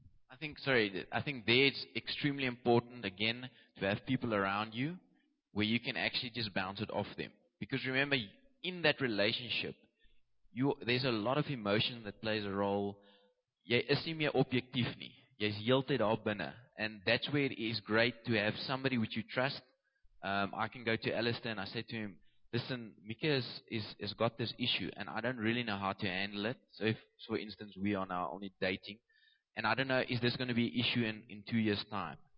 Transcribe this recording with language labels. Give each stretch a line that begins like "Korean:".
English: I think there it's extremely important, again, to have people around you where you can actually just bounce it off them. Because remember, in that relationship, there's a lot of emotion that plays a role.
Afrikaans: Jy is nie meer objektief nie. Jy is heeltyd daar binne.
English: And that's where it is great to have somebody which you trust. I can go to Alistair and I say to him, listen, Mika has got this issue and I don't really know how to handle it. So if, for instance, we are now only dating, and I don't know, is this going to be an issue in 2 years' time?